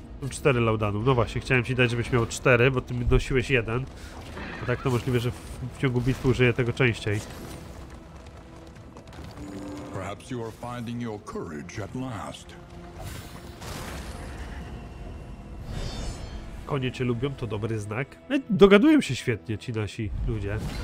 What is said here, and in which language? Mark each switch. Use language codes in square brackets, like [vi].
[pl] Cztery laudanów. No właśnie, chciałem ci dać, żebyś miał cztery, bo ty mi nosiłeś jeden. A tak to możliwe, że w ciągu bitwy użyję tego częściej. [en] Perhaps you are finding your courage at last. [pl] Konie cię lubią, to dobry znak. Dogadują się świetnie ci nasi ludzie.